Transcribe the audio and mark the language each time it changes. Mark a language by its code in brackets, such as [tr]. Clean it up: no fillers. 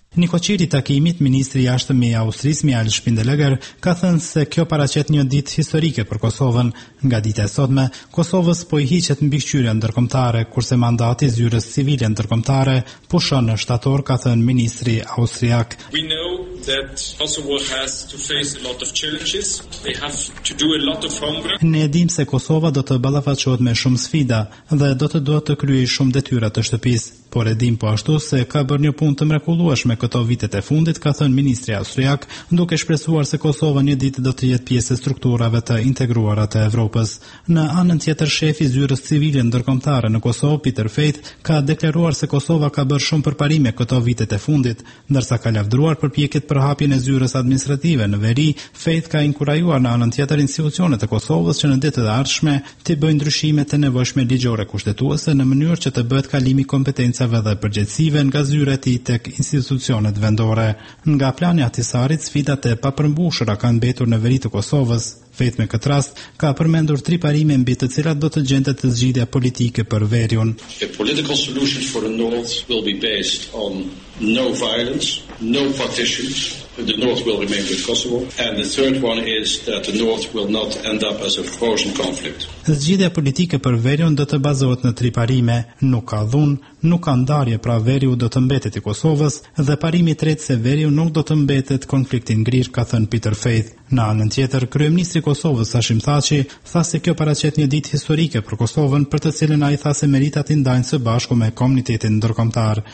[sq] Nikoqiri takimit, ministri i jashtëm i Austrisë Mihal Shpindeleger, ka thënë se kjo paraqet një ditë historike për Kosovën. Nga dita e sotme, Kosovës po i hiqet mbikëqyrja ndërkombëtare, kurse mandati zyrës civile ndërkombëtare pushon në shtator, ka thënë ministri austriak. [en] We know that Kosovo has to face a lot of challenges. They have to do a lot of homework. [sq] Ne dim se Kosova do të ballafaqohet me shumë sfida dhe do të duhet të kryejë shumë detyra të shtëpisë. Por e dim po ashtu se ka bërë një punë të mrekullueshme këto vitet e fundit, ka thënë ministri austriak, duke shpresuar se Kosova një ditë do të jetë pjesë e strukturave të integruara të Evropës. Në anën tjetër, shefi zyrës civile ndërkombëtare në Kosovë, Peter Faith, ka deklaruar se Kosova ka bërë shumë përparime këto vitet e fundit, ndërsa ka lavdruar përpjekjet për hapjen e zyrës administrative në veri. Faith ka inkurajuar në anën tjetër institucionet e Kosovës që në ditët e ardhshme të bëjnë ndryshime të nevojshme ligjore kushtetuese në mënyrë që të bëhet kalimi kompetencave dhe përgjegjësive nga zyra e tij tek institucionet vendore. Nga plani Atisarit, sfidat e papërmbushura kanë mbetur në veri të Kosovës. Faith, me këtë rast, ka përmendur 3 parime mbi të cilat do të gjendet të zgjidhja politike për verjun. [en] A political solution for the north will be based on no violence, no partition. The north will remain with Kosovo, and the third one is that the north will not end up as a frozen conflict. [sq] Zgjidhja politike për verjun do të bazohet në 3 parime: nuk ka dhun, nuk ka ndarje, pra veriu do të mbetet i Kosovës, dhe parimi i tretë se veriu nuk do të mbetet konflikti ngrirë, ka thënë Peter Faith. Në anën tjetër, kryeministri i Kosovës Hashim Thaçi tha se kjo paraqet një ditë historike për Kosovën, për të cilën ai tha se meritat i ndajnë së bashku me komunitetin ndërkombëtar.